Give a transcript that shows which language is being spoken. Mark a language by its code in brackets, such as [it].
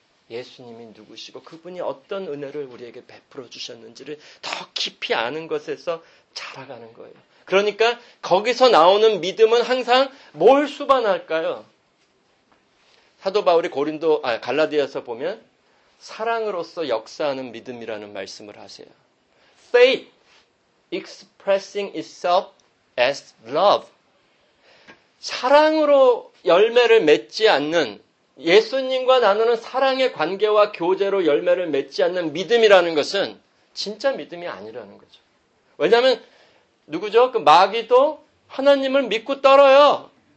[ko] 예수님이 누구시고 그분이 어떤 은혜를 우리에게 베풀어 주셨는지를 더 깊이 아는 것에서 자라가는 거예요. 그러니까 거기서 나오는 믿음은 항상 뭘 수반할까요? 사도 바울이 갈라디아서 보면 사랑으로서 역사하는 믿음이라는 말씀을 하세요. [en] Faith expressing itself as love. [ko] 사랑으로 열매를 맺지 않는 예수님과 나누는 사랑의 관계와 교제로 열매를 맺지 않는 믿음이라는 것은 진짜 믿음이 아니라는 거죠. 왜냐하면 누구죠? 그 마귀도 하나님을 믿고 떨어요.